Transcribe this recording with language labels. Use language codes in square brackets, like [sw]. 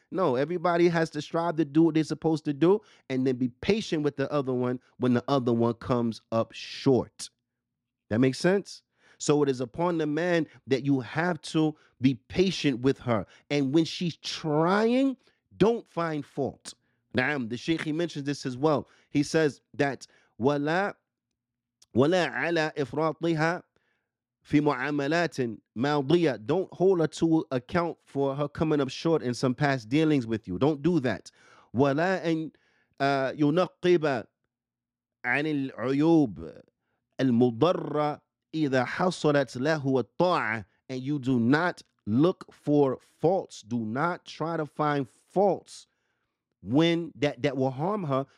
[en] No, everybody has to strive to do what they're supposed to do and then be patient with the other one when the other one comes up short. That makes sense? So it is upon the man that you have to be patient with her. And when she's trying, don't find fault. Now, the Sheikh, he mentions this as well. He says that, [ar] وَلَا عَلَىٰ إِفْرَاطِهَا فِي مُعَامَلَاتٍ مَاضِيَةٍ. [en] Don't hold her to account for her coming up short in some past dealings with you. Don't do that. [ar] وَلَا أَن يُنَقِّبَ عَنِ الْعُيُوبِ الْمُضَرَّةِ إِذَا حَصَلَتْ لَهُ الطَّاعَةِ. [en] And you do not look for faults. Do not try to find faults when that will harm her.